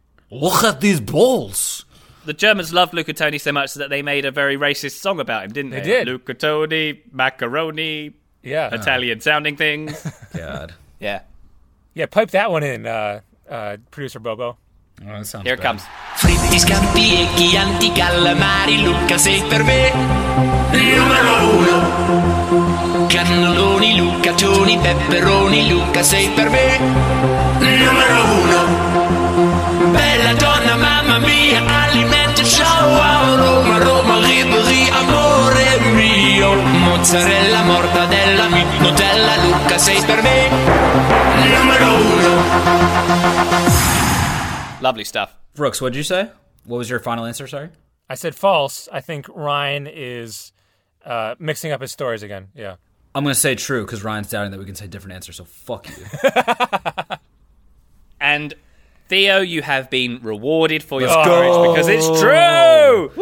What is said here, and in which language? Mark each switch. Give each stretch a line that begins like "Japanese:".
English: Look at these balls. The Germans loved Luca Toni so much that they made a very racist song about him, didn't they? They did. Luca Toni, macaroni, Italian-sounding things. God. Yeah. Yeah, pipe that one in, producer Bobo. Oh, here Comes.
Italian: Fritti, scampi e chianti, calamari, Luca sei per me il numero uno. Cannelloni, Luca Toni, peperoni, Luca sei per me il numero uno. Bella donna, mamma mia, alimento, ciao a Roma, Roma, Ribri, amore mio. Mozzarella, mortadella, Nutella, Luca sei per me il numero uno.
English: Lovely stuff. Brooks, what did you say? What was your final answer, sorry? I said false. I think Ryan is mixing up his stories again. Yeah. I'm going to say true because Ryan's doubting that we can say different answers, so fuck you. And Theo, you have been rewarded for your courage because it's true!